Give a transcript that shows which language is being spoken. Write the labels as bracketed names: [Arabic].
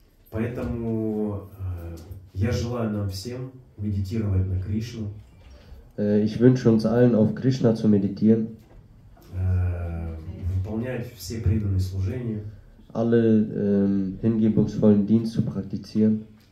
[Russian] Поэтому я желаю нам всем медитировать на Кришну. [German] Ich wünsche uns allen, auf Krishna zu meditieren. [Russian] Выполнять все преданные служения. [German] Alle hingebungsvollen Dienst zu praktizieren.